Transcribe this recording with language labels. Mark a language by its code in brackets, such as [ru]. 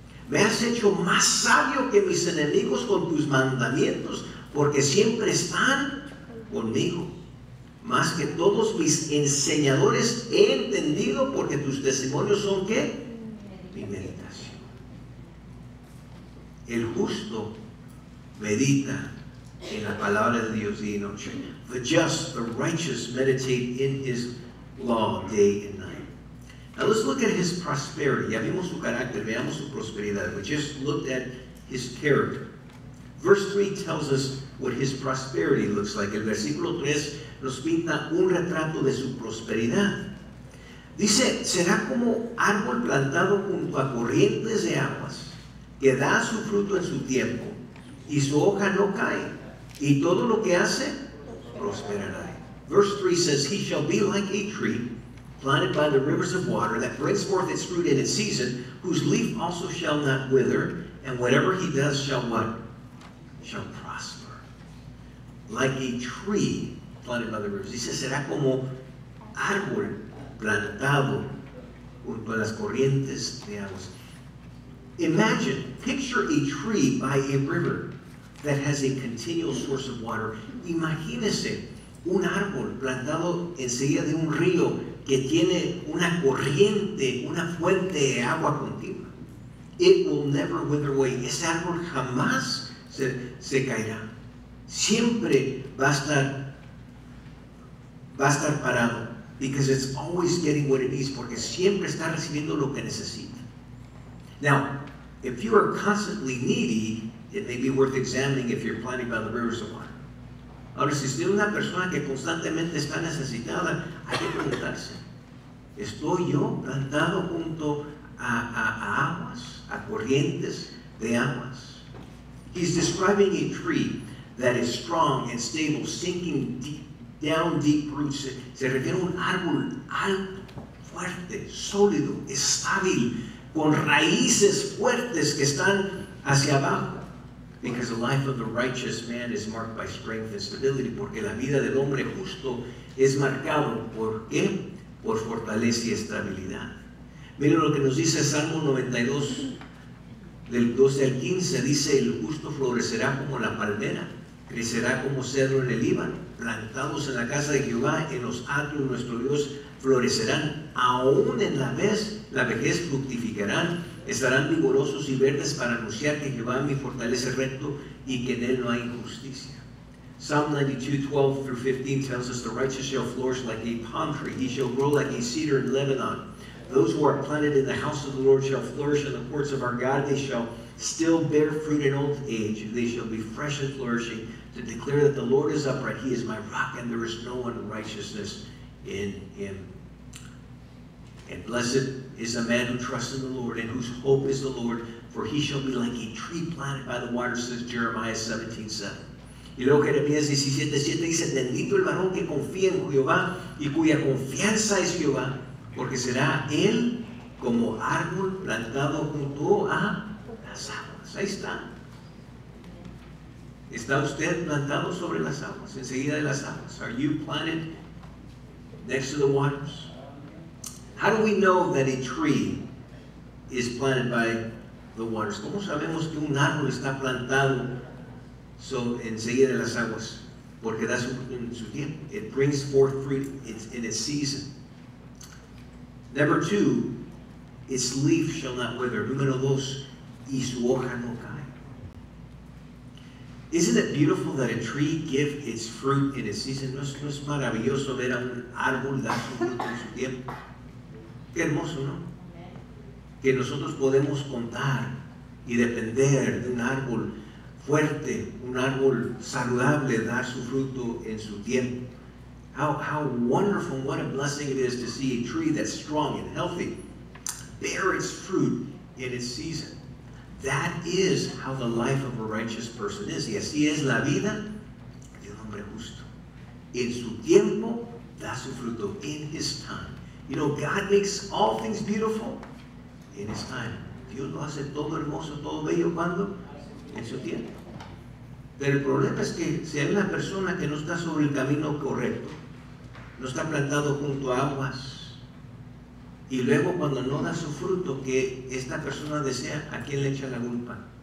[es] Me has hecho más sabio que mis enemigos con tus mandamientos, porque siempre están conmigo. Más que todos mis enseñadores he entendido, porque tus testimonios son ¿qué? Mi meditación. El justo medita en la palabra de Dios día y noche. [en] The just, the righteous meditate in his law day and night. Now let's look at his prosperity. [es] Ya vimos su carácter, veamos su prosperidad. [en] We just looked at his character. Verse 3 tells us what his prosperity looks like. [es] El versículo 3 nos pinta un retrato de su prosperidad. Dice, será como árbol plantado junto a corrientes de aguas, que da su fruto en su tiempo, y su hoja no cae, y todo lo que hace, prosperará. [en] Verse 3 says, he shall be like a tree planted by the rivers of water, that brings forth its fruit in its season, whose leaf also shall not wither, and whatever he does shall what? Shall prosper. Like a tree planted by the rivers. [es] Dice, será como árbol plantado junto a las corrientes de aguas. [en] Imagine, picture a tree by a river that has a continual source of water. [es] Imagínese un árbol plantado enseguida de un río que tiene una corriente, una fuente de agua continua. [en] It will never wither away. [es] Ese árbol jamás se caerá. Siempre va a estar parado. [en] Because it's always getting what it needs. [es] Porque siempre está recibiendo lo que necesita. [en] Now, if you are constantly needy, it may be worth examining if you're planted by the rivers of water. [es] Ahora, si usted es una persona que constantemente está necesitada, hay que preguntarse. ¿Estoy yo plantado junto a aguas, a corrientes de aguas? [en] He's describing a tree that is strong and stable, sinking deep roots. [es] Se refiere a un árbol alto, fuerte, sólido, estable, con raíces fuertes que están hacia abajo. [en] Because the life of the righteous man is marked by strength and stability. [es] Porque la vida del hombre justo es marcado. ¿Por qué? Por fortaleza y estabilidad. Miren lo que nos dice Salmo 92, del 12 al 15. Dice, el justo florecerá como la palmera, crecerá como cedro en el Líbano. Plantados en la casa de Jehová, en los atrios de nuestro Dios, florecerán. Aún en la vejez fructificarán, estarán vigorosos y verdes para anunciar que Jehová mi fortaleza es recto y que en él no hay injusticia. [en] Psalm 92, 12 through 15 tells us the righteous shall flourish like a palm tree. He shall grow like a cedar in Lebanon. Those who are planted in the house of the Lord shall flourish in the courts of our God. They shall still bear fruit in old age. They shall be fresh and flourishing to declare that the Lord is upright. He is my rock and there is no unrighteousness in him. And blessed is a man who trusts in the Lord and whose hope is the Lord. For he shall be like a tree planted by the water, says Jeremiah 17, 7. [es] Y luego Jeremías 17, 7 dice, bendito el varón que confía en Jehová y cuya confianza es Jehová, porque será él como árbol plantado junto a las aguas. Ahí está. ¿Está usted plantado sobre las aguas, enseguida de las aguas? [en] Are you planted next to the waters? How do we know that a tree is planted by the waters? [es] ¿Cómo sabemos que un árbol está plantado enseguida de las aguas? Porque da su tiempo. [en] It brings forth fruit in its season. Number two, its leaf shall not wither. [es] Número dos, y su hoja no cae. [en] Isn't it beautiful that a tree gives its fruit in its season? [es] ¿No es maravilloso ver a un árbol dar su fruto en su tiempo? Qué hermoso, ¿no? Que nosotros podemos contar y depender de un árbol fuerte, un árbol saludable, dar su fruto en su tiempo. [en] How wonderful, what a blessing it is to see a tree that's strong and healthy bear its fruit in its season. That is how the life of a righteous person is. [es] Y así es la vida de un hombre justo. En su tiempo, da su fruto. [en] In his time. You know, God makes all things beautiful in his time. [es] Dios lo hace todo hermoso, todo bello, ¿cuándo? En su tiempo. Pero el problema es que si hay una persona que no está sobre el camino correcto, no está plantado junto a aguas, y luego cuando no da su fruto, que esta persona desea, ¿a quién le echa la culpa?